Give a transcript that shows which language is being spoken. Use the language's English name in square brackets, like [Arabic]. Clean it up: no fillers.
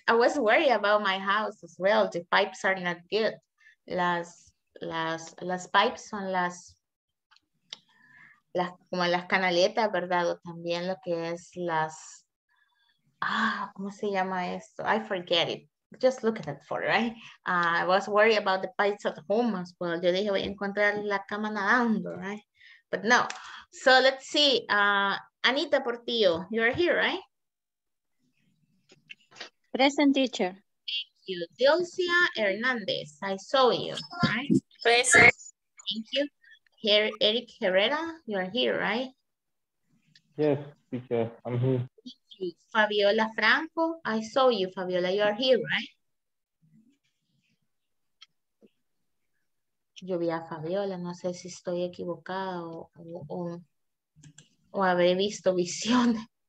[English] I was worried about my house as well. The pipes are not good. [Spanish] Las pipes son las como las canaletas, ¿verdad? O también lo que es las, ¿cómo se llama esto? [English] I forget it. Just look at it for, right? I was worried about the pipes at home as well. [Spanish] Yo dije, voy a encontrar la cama nadando, right? [English] But no. So let's see. Anita Portillo, you're here, right? Present, teacher. Thank you. Dilcia Hernandez, I saw you, right? Present. Thank you. Eric Herrera, you're here, right? Yes, teacher, I'm here. Thank you. Fabiola Franco, I saw you, Fabiola, you're here, right? [Spanish] Yo vi a Fabiola, no sé si estoy equivocada o habré visto visiones.